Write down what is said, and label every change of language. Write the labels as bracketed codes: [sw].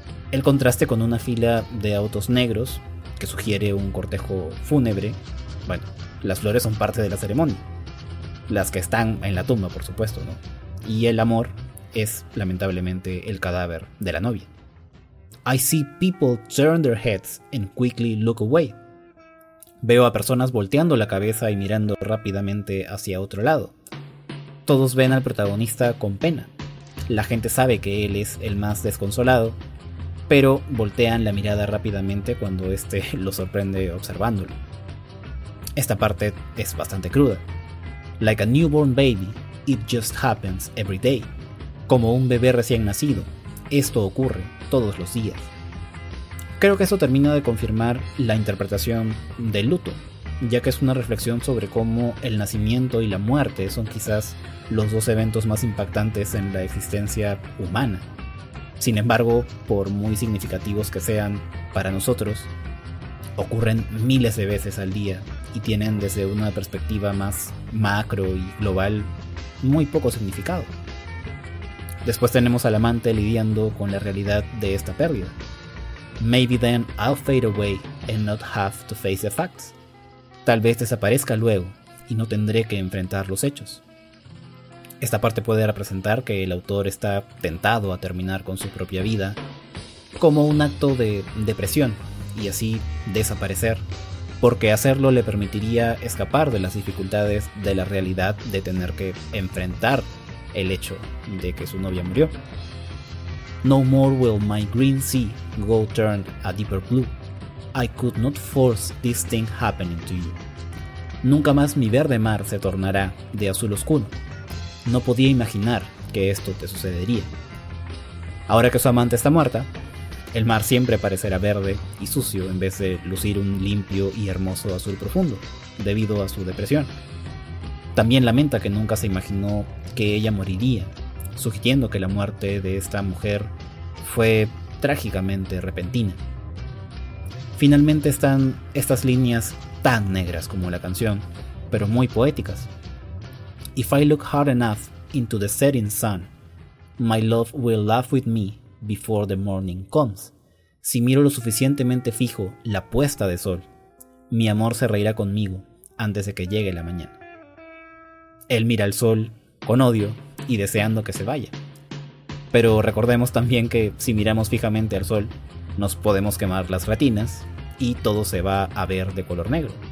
[es] El contraste con una fila de autos negros, que sugiere un cortejo fúnebre, bueno, las flores son parte de la ceremonia, las que están en la tumba, por supuesto, ¿no? Y el amor es, lamentablemente, el cadáver de la novia. [en] I see people turn their heads and quickly look away. [es] Veo a personas volteando la cabeza y mirando rápidamente hacia otro lado. Todos ven al protagonista con pena. La gente sabe que él es el más desconsolado, pero voltean la mirada rápidamente cuando este lo sorprende observándolo. Esta parte es bastante cruda. [en] like a newborn baby, it just happens every day. [es] Como un bebé recién nacido, esto ocurre todos los días. Creo que eso termina de confirmar la interpretación del luto, ya que es una reflexión sobre cómo el nacimiento y la muerte son quizás los dos eventos más impactantes en la existencia humana. Sin embargo, por muy significativos que sean para nosotros, ocurren miles de veces al día y tienen desde una perspectiva más macro y global muy poco significado. Después tenemos al amante lidiando con la realidad de esta pérdida. [en] Maybe then I'll fade away and not have to face the facts. [es] Tal vez desaparezca luego y no tendré que enfrentar los hechos. Esta parte puede representar que el autor está tentado a terminar con su propia vida como un acto de depresión y así desaparecer, porque hacerlo le permitiría escapar de las dificultades de la realidad de tener que enfrentar el hecho de que su novia murió. [en] No more will my green sea go turn a deeper blue. I could not force this thing happening to you. [es] Nunca más mi verde mar se tornará de azul oscuro. No podía imaginar que esto te sucedería. Ahora que su amante está muerta, el mar siempre parecerá verde y sucio en vez de lucir un limpio y hermoso azul profundo, debido a su depresión. También lamenta que nunca se imaginó que ella moriría, sugiriendo que la muerte de esta mujer fue trágicamente repentina. Finalmente están estas líneas tan negras como la canción, pero muy poéticas. [en] If I look hard enough into the setting sun, my love will laugh with me before the morning comes. [es] Si miro lo suficientemente fijo la puesta de sol, mi amor se reirá conmigo antes de que llegue la mañana. Él mira al sol con odio y deseando que se vaya. Pero recordemos también que si miramos fijamente al sol, nos podemos quemar las retinas y todo se va a ver de color negro.